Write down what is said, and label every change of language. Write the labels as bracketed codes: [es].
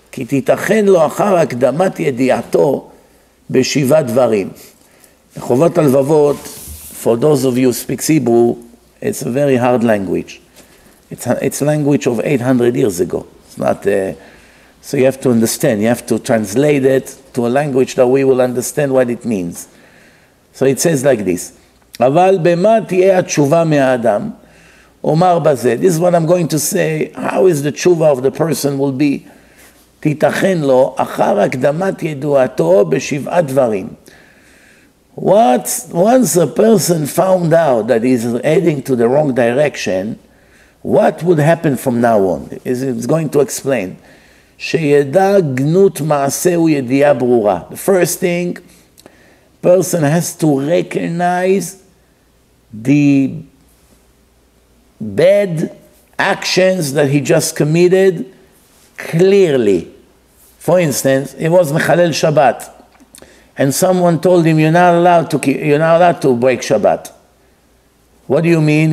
[he] כי תיתכן לו אחר הקדמת ידיעתו בשבעה דברים. [en] חובות הלבבות, for those of you who speak Hebrew, it's a very hard language. It's language of 800 years ago. It's not, so you have to understand, you have to translate it to a language that we will understand what it means. So it says like this, [he] אבל במה תהיה התשובה מהאדם? אומר בזה, [en] this is what I'm going to say, how is the תשובה of the person will be? [he] תיתכן לו אחר הקדמת ידועתו בשבעה דברים. [en] What, once a person found out that he's heading to the wrong direction, what would happen from now on? It's going to explain. [he] שידע גנות מעשהו ידיעה ברורה. [en] The first thing, person has to recognize the bad actions that he just committed clearly. For instance, it was Mechalel Shabbat, and someone told him, you're not allowed to break Shabbat. What do you mean?